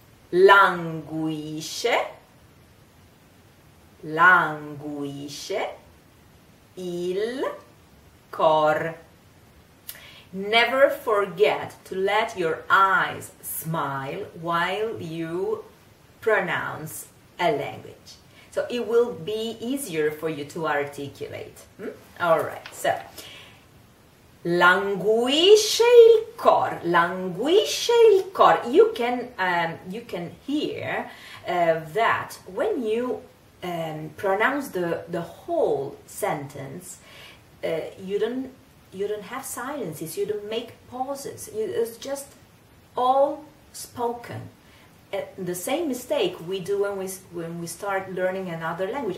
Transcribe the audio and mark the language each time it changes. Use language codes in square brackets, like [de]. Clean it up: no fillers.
[it] Languisce. Languisce il cor. [en] Never forget to let your eyes smile while you pronounce a language. So it will be easier for you to articulate. All right, so [it] languisce il cor, languisce il cor. [en] You can hear that when you pronounce the whole sentence, you don't have silences, you don't make pauses. It's just all spoken. The same mistake we do when we start learning another language.